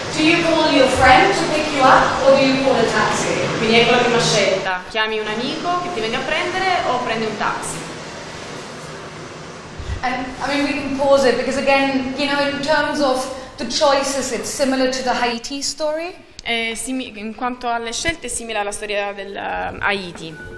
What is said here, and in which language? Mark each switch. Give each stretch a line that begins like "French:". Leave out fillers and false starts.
English: Do you call your friend to pick you up or do you call a taxi?
Italian: Quindi è quella prima scelta. Chiami un amico che ti venga a prendere o prendi un taxi?
English: And, I mean, we can pause it because again, you know, in terms of the choices, it's similar to the Haiti story.
Italian: In quanto alle scelte, è simile alla storia del Haiti.